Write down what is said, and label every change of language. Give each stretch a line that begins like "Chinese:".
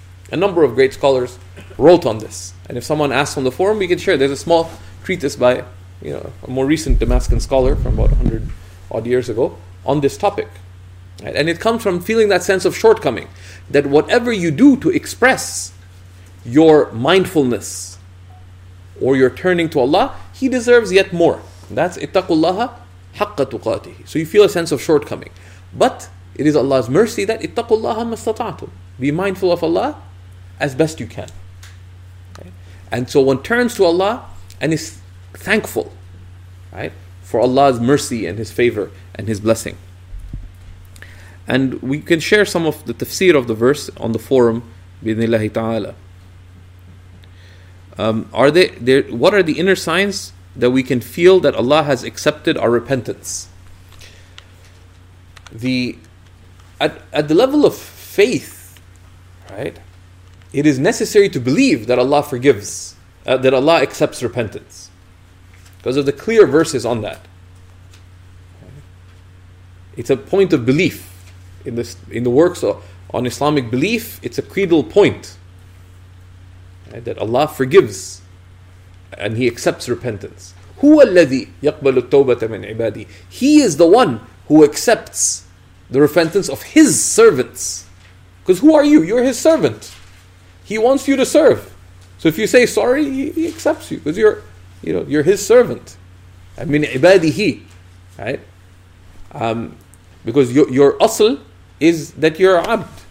English: A number of great scholars wrote on this. And if someone asks on the forum, we can share. There's a small treatise by a more recent Damascus scholar from about 100 odd years ago on this topic. And it comes from feeling that sense of shortcoming, that whatever you do to express your mindfulness or your turning to Allah, He deserves yet more. That's
Arabic: اتقوا الله حق تقاته.
English: So you feel a sense of shortcoming. But it is Allah's mercy that
Arabic: اتقوا الله ما استطعتم.
English: Be mindful of Allah as best you can. And so one turns to Allah and is thankful, right, for Allah's mercy and His favor and His blessing. And we can share some of the tafsir of the verse on the forum, bi-idhnillahi ta'ala. What are the inner signs that we can feel that Allah has accepted our repentance? At the level of faith, right, it is necessary to believe that Allah forgives, that Allah accepts repentance. Because of the clear verses on that. It's a point of belief in the works on Islamic belief, it's a creedal point, right, that Allah forgives and He accepts repentance.
Arabic: هو الذي يقبل التوبة من عبادي.
English: He is the one who accepts the repentance of His servants. Because who are you? You're His servant. He wants you to serve. So if you say sorry, He accepts you because you're His servant. I mean, عباده, right? Because your أصل is that you're عبد.